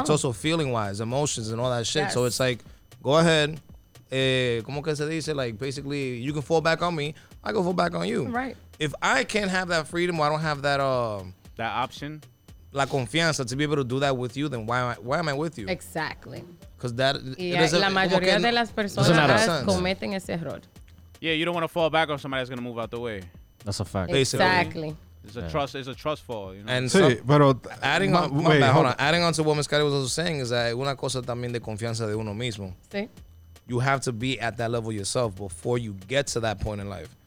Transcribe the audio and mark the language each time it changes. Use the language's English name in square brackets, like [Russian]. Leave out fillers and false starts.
[English] It's also feeling-wise, emotions, and all that shit. Yes. So it's like, go ahead. [Spanish] ¿Cómo que se dice? [English] Like, basically, you can fall back on me. I can fall back on you. Right. If I can't have that freedom, or I don't have that... that option? [Spanish] La confianza [English] to be able to do that with you, then why am I with you? Exactly. Because that... [Spanish] Yeah, la mayoría de las personas cometen ese error. [English] Yeah, you don't want to fall back on somebody that's going to move out the way. That's a fact. Basically. Exactly. It's a trust fall, you know? And so, adding on to what Ms. Cari was also saying is that [Spanish] una cosa también de confianza de uno mismo. Sí. [English] You have to be at that level yourself before you get to that point in life.